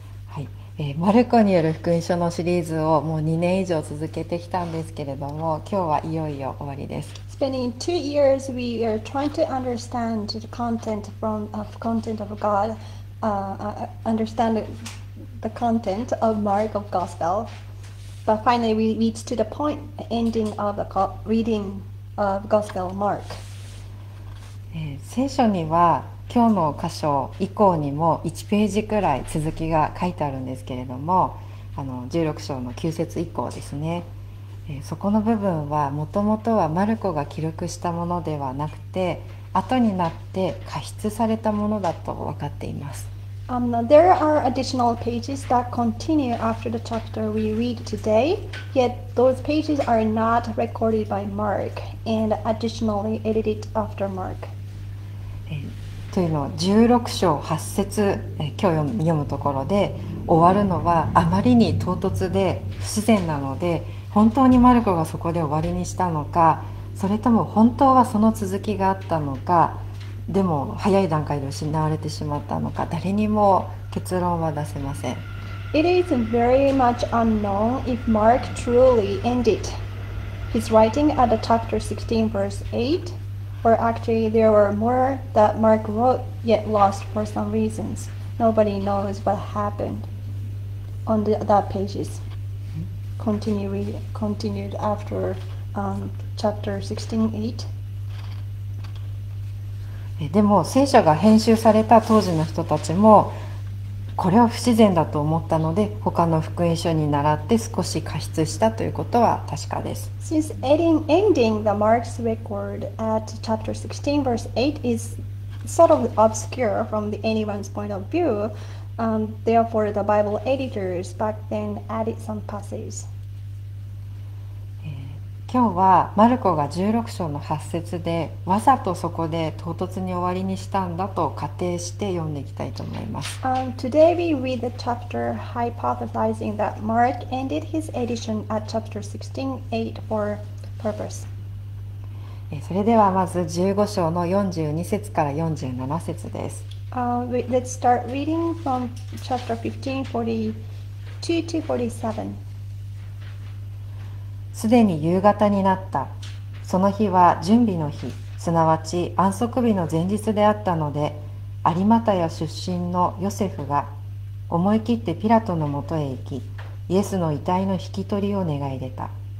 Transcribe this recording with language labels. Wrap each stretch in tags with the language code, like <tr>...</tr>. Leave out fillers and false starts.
<ja>はい、マルコによる福音書のシリーズをもう2年以上続けてきたんですけれども、今日はいよいよ終わりです。</ja> <en>Spending 2 years, we are trying to understand the content from the content of God, understand the content of Mark of Gospel. But finally, we reach to the point ending of the reading of Gospel Mark.</en> <ja>聖書には今日の箇所以降にも1ページくらい続きが書いてあるんですけれども、16章の9節以降ですね。そこの部分はもともとはマルコが記録したものではなくて後になって加筆されたものだと分かっています。</ja> <en>There are additional pages that continue after the chapter we read today, yet those pages are not recorded by Mark and additionally edited after Mark.</en> <ja>というのは16章8節、今日読むところで終わるのはあまりに唐突で不自然なので、本当にマルコがそこで終わりにしたのか、それとも本当はその続きがあったのか、でも早い段階で失われてしまったのか、誰にも結論は出せません。</ja> <en>It is very much unknown if Mark truly ended his writing at the chapter 16 verse 8, or actually there were more that Mark wrote yet lost for some reasons. Nobody knows what happened on the other pages. Continued after chapter 16:8.</en> <ja>でも聖書が編集された当時の人たちもこれは不自然だと思ったので、他の福音書に倣って少し加筆したということは確かです。</ja> <en>Since ending the Mark's record at chapter 16 verse 8 is sort of obscure from anyone's point of view, therefore the Bible editors back then added some passages.</en> <ja>今日はマルコが16章の8節でわざとそこで唐突に終わりにしたんだと仮定して読んでいきたいと思います。</ja> <en>Today we read the chapter hypothesizing that Mark ended his edition at chapter 16:8 for purpose.</en> <ja>それではまず15章の42節から47節です。</ja> <en>Let's start reading from chapter 15:42 to 47.</en> <ja>すでに夕方になった。その日は準備の日、すなわち安息日の前日であったので、アリマタヤ出身のヨセフが思い切ってピラトのもとへ行き、イエスの遺体の引き取りを願い出た。</ja>